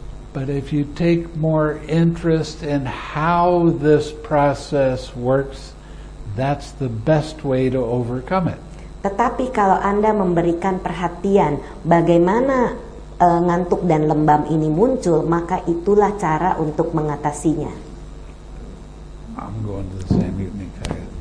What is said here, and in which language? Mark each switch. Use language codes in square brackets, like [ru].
[en] But if you take more interest in how this process works, that's the best way to overcome it. [id] Tetapi kalau Anda memberikan perhatian bagaimana ngantuk dan lembam ini muncul, maka itulah cara untuk mengatasinya. [en] I'm going to the same evening, Kaya.